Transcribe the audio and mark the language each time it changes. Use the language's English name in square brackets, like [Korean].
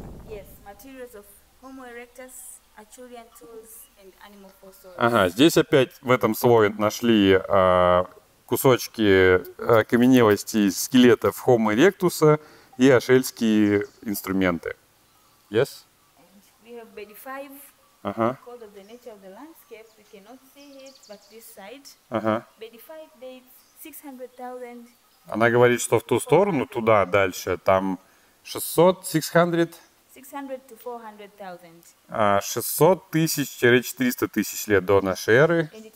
[English] Yes, materials of Homo erectus, Acheulean tools and animal fossils. [Russian] Ага, здесь опять в этом слое нашли кусочки окаменелости скелетов Homo erectus и ашельские инструменты. [English] Yes? And we have body five. Because of the nature of the landscape, we cannot see it, but this side. Body five dates 600,000. [Russian] Она говорит, что в ту сторону, туда, дальше, там 600 тысяч-400 тысяч лет до нашей эры.